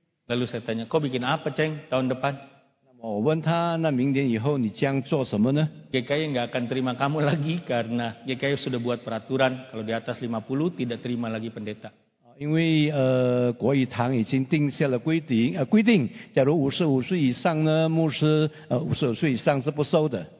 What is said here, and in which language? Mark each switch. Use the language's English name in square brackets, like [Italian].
[Indonesian] Lalu saya tanya, kau bikin apa ceng tahun depan? [Chinese] 我问他，那明年以后你将做什么呢？ [Indonesian] GKI nggak akan terima kamu lagi karena GKI sudah buat peraturan kalau di atas 50 tidak terima lagi pendeta. [Chinese] 因为国语堂已经定下了规定，假如55岁以上呢，牧师55岁以上是不收的。